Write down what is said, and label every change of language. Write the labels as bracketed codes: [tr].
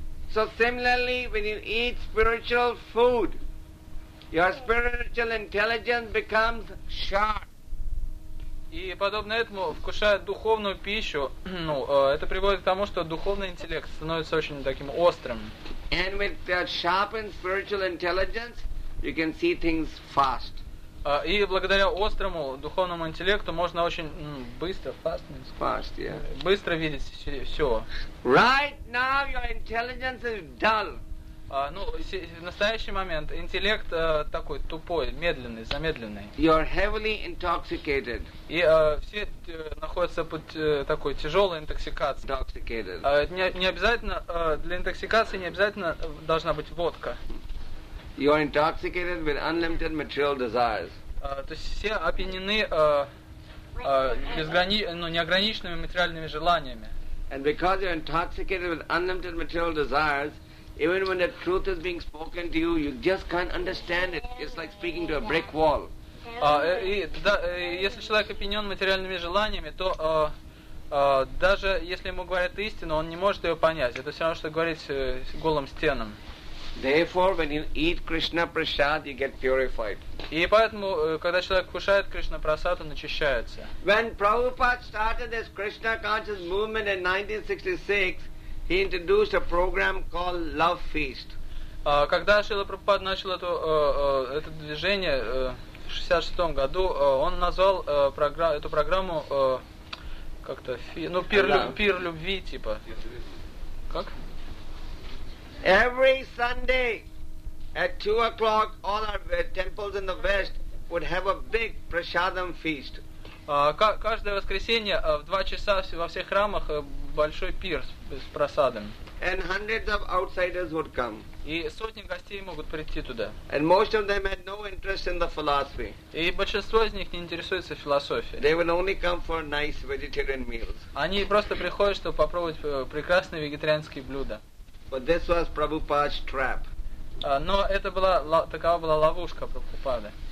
[en] So similarly, when you eat spiritual food, your spiritual intelligence becomes sharp. [ru] И подобно этому, вкушая духовную пищу, ну, это приводит к тому, что духовный интеллект становится очень таким острым. [en] And with that sharpened spiritual intelligence, you can see things fast. [ru] И благодаря острому духовному интеллекту можно очень быстро, [en] fast, yeah. [ru] Быстро видеть все. [en] Right now your intelligence is dull. [ru] В настоящий момент интеллект такой тупой, медленный, замедленный. [en] You are heavily intoxicated. [ru] И все находятся под такой тяжелой интоксикацией. [en] Intoxicated. [ru] Не обязательно для интоксикации не обязательно должна быть водка. [en] You are intoxicated with unlimited material desires. [ru] То есть все опьянены неограниченными материальными желаниями. [en] And because you are intoxicated with unlimited material desires, even when the truth is being spoken to you, you just can't understand it. It's like speaking to a brick wall. [ru] Если человек опьянен материальными желаниями, то даже если ему говорят истину, он не может ее понять. Это все равно, что говорить с голым стенам. [en] Therefore, when you eat Krishna prasad, you get purified. [ru] И поэтому, когда человек кушает Кришна прасад, он очищается. [en] When Prabhupada started this Krishna conscious movement in 1966, he introduced a program called Love Feast. [ru] Когда Шрила Прабхупада начал это движение в 66 году, он назвал эту программу как-то пир любви типа. Как? [en] Every Sunday at 2 o'clock, all our temples in the West would have a big prasadam feast. [ru] Каждое воскресенье в 2 часа во всех храмах большой пир с просадом. [en] And hundreds of outsiders would come. [ru] И сотни гостей могут прийти туда. [en] And most of them had no interest in the philosophy. [ru] И большинство из них не интересуется философией. [en] They would only come for nice vegetarian meals. [ru] Они просто приходят, чтобы попробовать прекрасные вегетарианские блюда. [en] But this was Prabhupada's trap. [ru] Но это была такова была ловушка Прабхупады.